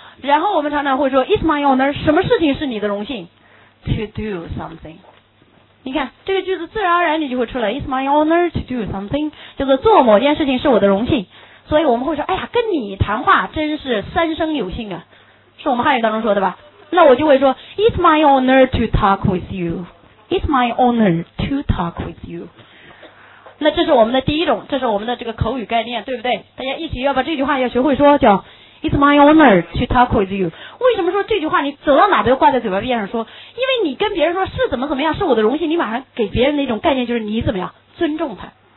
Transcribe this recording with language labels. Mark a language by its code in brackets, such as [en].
[zh] 然后我们常常会说 [en] It's my honor, [zh] 什么事情是你的荣幸？ [en] To do something, [zh] 你看这个句子自然而然你就会出来 [en] It's my honor to do something, [zh] 就是做某件事情是我的荣幸。所以我们会说，哎呀，跟你谈话真是三生有幸啊，是我们汉语当中说的吧。那我就会说 [en] It's my honor to talk with you, [zh] It's my honor to talk with you。那这是我们的第一种，这是我们的这个口语概念，对不对？大家一起要把这句话要学会说，叫 [en] It's my honor to talk with you。 [zh] 为什么说这句话你走到哪都挂在嘴巴边上说？因为你跟别人说是怎么怎么样，是我的荣幸，你马上给别人的一种概念就是你怎么样尊重他。